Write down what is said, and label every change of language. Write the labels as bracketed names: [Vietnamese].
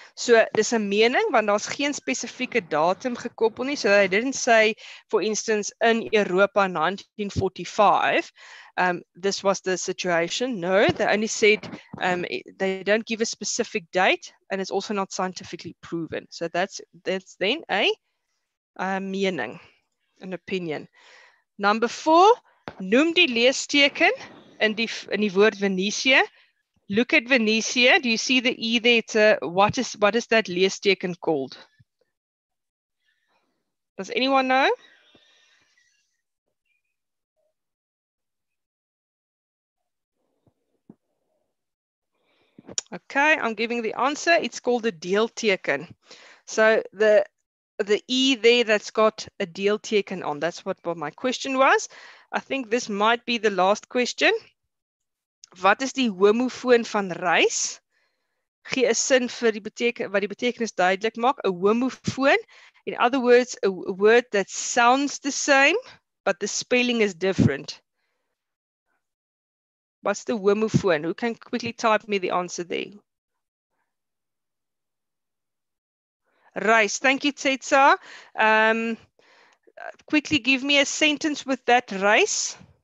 [Afrikaans] So dis 'n mening, want daar's geen spesifieke datum gekoppel nie. [English] So they didn't say, for instance, in Europa 1945, this was the situation. No, they only said they don't give a specific date, and it's also not scientifically proven. So that's then a mening, an opinion. Number 4, [Afrikaans] noem die leesteken in die woord Venetië. [English] Look at Venetië. Do you see the E there? What is that leesteken called? Does anyone know? Okay, I'm giving the answer. It's called a deelteken. So the E there that's got a deelteken on. That's what my question was. I think this might be the last question. [Afrikaans] Wat is die homofoon van reis? Gee een sin vir die wat die betekenis duidelik maak. [English] A homofoon. In other words, a word that sounds the same, but the spelling is different. What's the homophone? Who can quickly type me the answer there? Rice. Thank you, Tsetsa. Quickly give me a sentence with that rice.